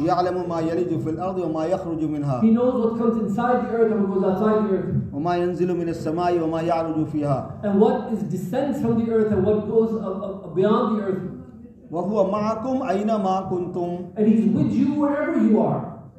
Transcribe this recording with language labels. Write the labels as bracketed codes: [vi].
[ar] يعلم ما يلج في الارض وما يخرج منها. [en] He knows what comes inside the earth and what goes outside the earth. [ar] وما ينزل من السماء وما يعرج فيها. [en] And what is descends from the earth and what goes beyond the earth. [ar] وهو معكم اينما كنتم. [en] And he's with you wherever you are.